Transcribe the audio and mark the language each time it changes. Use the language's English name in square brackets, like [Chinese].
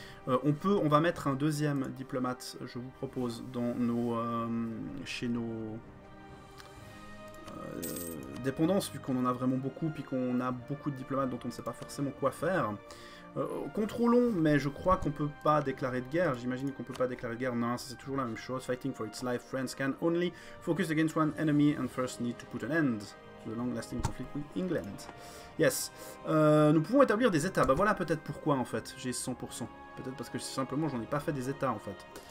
[French] On va mettre un deuxième diplomate, je vous propose, dans chez nos dépendances, vu qu'on en a vraiment beaucoup, puis qu'on a beaucoup de diplomates dont on ne sait pas forcément quoi faire. Contrôlons, mais je crois qu'on peut pas déclarer de guerre. J'imagine qu'on peut pas déclarer de guerre. Non, c'est toujours la même chose. [English] Fighting for its life, France can only focus against one enemy and first need to put an end to the long-lasting conflict with England. [French] Yes. Nous pouvons établir des états. Bah voilà peut-être pourquoi en fait. J'ai 100%. Peut-être parce que simplement j'en ai pas fait des états en fait.